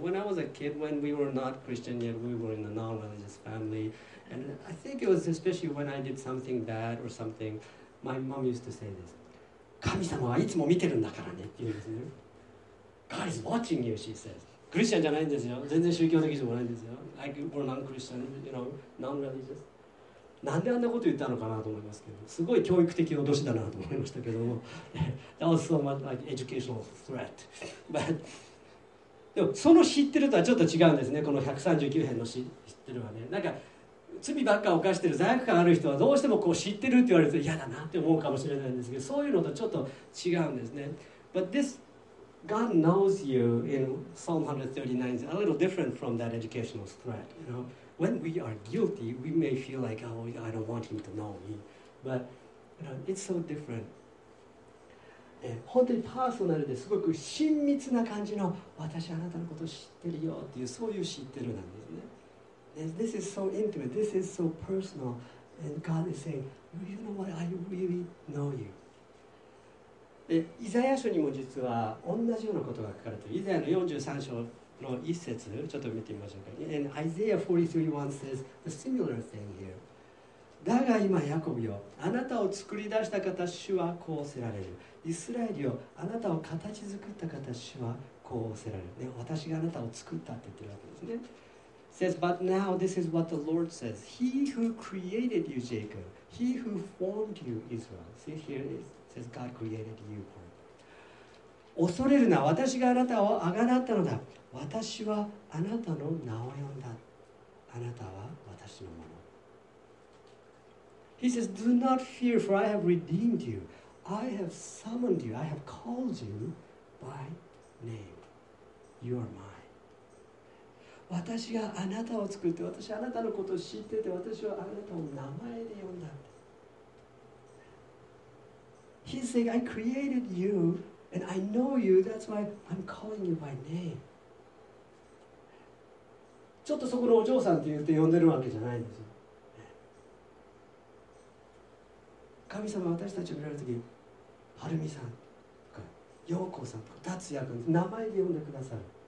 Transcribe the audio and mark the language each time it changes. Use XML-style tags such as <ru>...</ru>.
<en>When I was a kid, when we were not Christian yet, we were in a non-religious family. And I think it was especially when I did something bad or something, my mom used to say this.</en> <ja>神様はいつも見てるんだからねって言うんですね。</ja> <en>God is watching you, she says.</en> <ja>クリスチャンじゃないんですよ。全然宗教的じゃないんですよ。</ja> <en>Like, we're non-Christian, you know, non-religious.</en> <ja>なんであんなこと言ったのかなと思いますけど、すごい教育的脅しだなと思いましたけども。</ja> <en>That was so much like educational threat.</en> <ja>But, でもその知ってるとはちょっと違うんですね、この139編の知ってるはね。なんか、罪ばっか犯してる、罪悪感ある人はどうしてもこう知ってるって言われると嫌だなって思うかもしれないんですけど、そういうのとちょっと違うんですね。</ja> <en>But this,God knows you in Psalm 139 is a little different from that educational threat. You know, when we are guilty, we may feel like, oh, I don't want him to know me. But you know, it's so different.</en> <ja>本当にパーソナルですごく親密な感じの私あなたのことを知ってるよっていう、そういう知ってるなんですね。</ja> <en>This is so intimate. This is so personal. And God is saying, you know what? I really know you.</en> <ja>でイザヤ書にも実は同じようなことが書かれている。イザヤの43章の1節、ちょっと見てみましょうか。</ja> <en>And Isaiah 43:1 says a similar thing here.</en> <ja>だが今ヤコブよ、あなたを作り出した方主はこうせられる。イスラエルよ、あなたを形作った方主はこうせられる。ね、私があなたを作ったって言ってるわけですね。</ja> <en>Says, but now this is what the Lord says. He who created you, Jacob. He who formed you, Israel. See, here it is. Says God created you.</en> <ja>恐れるな、私があなたをあがなったのだ。私はあなたの名を呼んだ。あなたは私のもの。</ja> <en>He says, Do not fear, for I have redeemed you. I have summoned you. I have called you by name. You are mine.</en> <ja>私があなたを作って、私はあなたのことを知ってて、私はあなたを名前で呼んだ。</ja> <en>He's saying, I created you, and I know you, that's why I'm calling you by name.</en> <ja>ちょっとそこのお嬢さんって言って呼んでるわけじゃないんですよ。神様は私たちを見られるとき、はるみさんとか、ようこさんとか、達也君、名前で呼んでくださる。</ja>